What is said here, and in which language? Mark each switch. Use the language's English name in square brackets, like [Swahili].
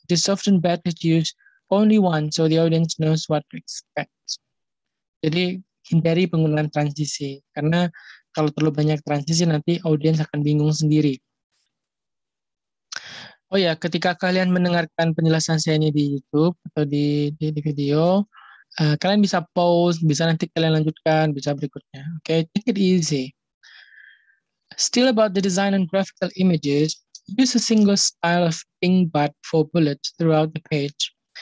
[English] It is often better to use only one so the audience knows what to expect. [Indonesian] Jadi hindari penggunaan transisi, karena kalau terlalu banyak transisi nanti audiens akan bingung sendiri. Oh ya, ketika kalian mendengarkan penjelasan saya ini di YouTube atau di video, kalian bisa pause, bisa nanti kalian lanjutkan, bisa berikutnya. [English] Okay, take it easy. Still about the design and graphical images, use a single style of dingbat for bullets throughout the page.